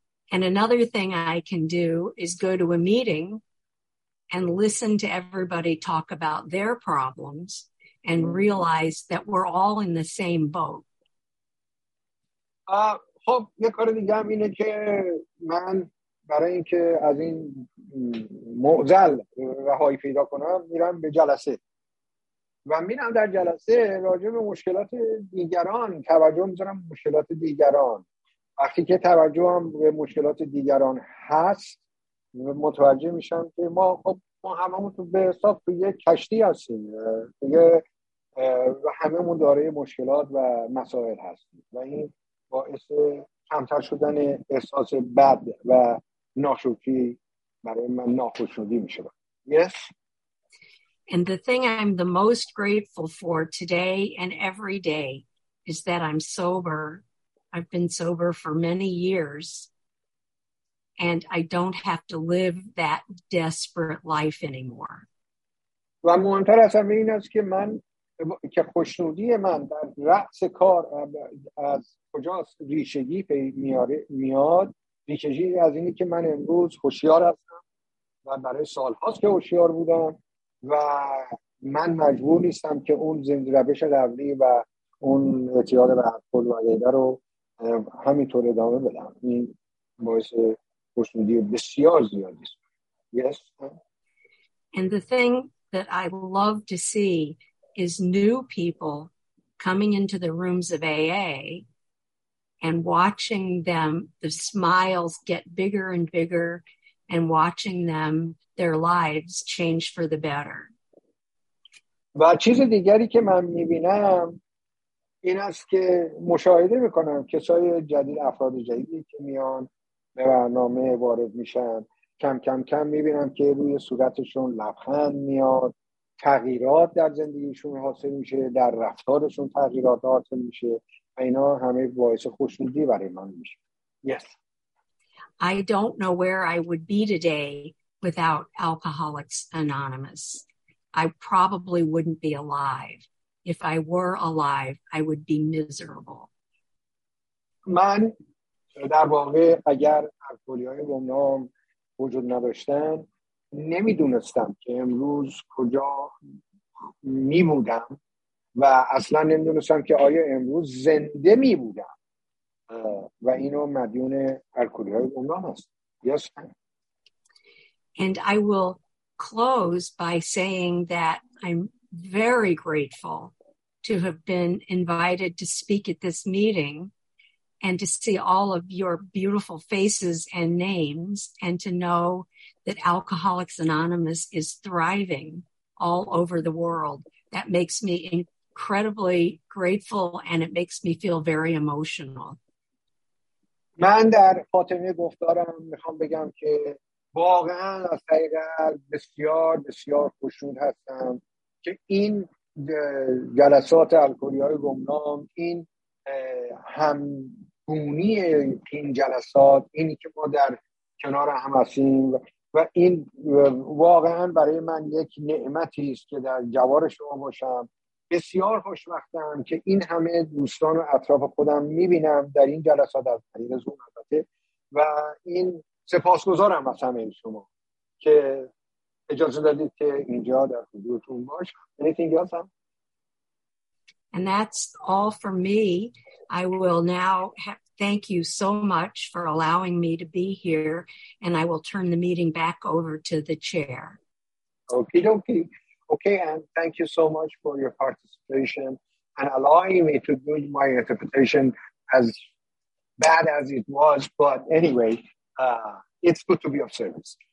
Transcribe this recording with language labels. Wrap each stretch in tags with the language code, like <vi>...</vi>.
<en>And another thing I can do is go to a meeting and listen to everybody talk about their problems and realize that we're all in the same boat.</en> <fa>خب یه کار دیگه هم اینه که من برای اینکه از این معضل رهایی پیدا کنم میرم به جلسه و میرم در جلسه راجع به مشکلات دیگران توجه میذارم مشکلات دیگران. وقتی که توجه هم به مشکلات دیگران هست متوجه میشم که ما خب ما هممون تو به حساب تو یک کشتی هستیم دیگه و هممون داره مشکلات و مسائل هستیم و این باعث کمتر شدن احساس بد و ناشوکی برای من ناخوشنودی میشه.</fa> <en>Yes. And the thing I'm the most grateful for today and every day is that I'm sober. I've been sober for many years and I don't have to live that desperate life anymore.</en> <fa>و مهمتر از همه این است که من که خوشنودی من در رأس کار از کجاست ریشگی میاد ریشگی از اینی که من امروز هوشیار هستم و برای سالهاست که هوشیار بودم و من مجبور نیستم که اون زندگی روش قبلی و اون اعتیاد به الکل و غیره رو همینطور ادامه بدم. این باعث خوشنودی بسیار زیادی است.</fa> <en>Yes. And the thing that I love to see is new people coming into the rooms of AA and watching them, the smiles get bigger and bigger and watching them, their lives change for the better.</en> <fa>و چیز دیگری که من میبینم این است که مشاهده میکنم کسای جدید افراد جدیدی که میان به برنامه وارد میشن کم کم کم میبینم که روی صورتشون لبخند میاد تغییرات در زندگیشون حاصل میشه در رفتارشون تغییرات حاصل میشه و اینا همه باعث خوشنودی برای من میشه.</fa> <en>Yes. I don't know where I would be today without Alcoholics Anonymous. I probably wouldn't be alive If I were alive, I would be miserable.</en> <fa>من در واقع اگر الکلی‌های گمنام وجود نداشتن نمیدونستم که امروز کجا میبودم و اصلا نمیدونستم که آیا امروز زنده میبودم و اینو مدیون الکلی‌های گمنام است.</fa> <en>Yes. And I will close by saying that I'm very grateful to have been invited to speak at this meeting and to see all of your beautiful faces and names and to know that Alcoholics Anonymous is thriving all over the world. That makes me incredibly grateful and it makes me feel very emotional.</en> <fa>من در فاطمه گفتارم میخوام بگم که واقعا از طریق قلب بسیار بسیار خوشحال هستم که این جلسات الکلی‌های گمنام، این همگونی این جلسات، اینی که ما در کنار هم هستیم و این واقعا برای من یک نعمتی است که در جوار شما باشم. بسیار خوشبختم که این همه دوستان و اطراف خودم میبینم در این جلسات از طریق زوم البته و این سپاسگزارم از همه شما که اجازه دادید که اینجا در حضورتون باشم.</fa> <en>Anything else? And that's all for me. I will now thank you so much for allowing me to be here and I will turn the meeting back over to the chair. Okie dokie. Okay, and thank you so much for your participation and allowing me to do my interpretation as bad as it was, but anyway, it's good to be of service.</en>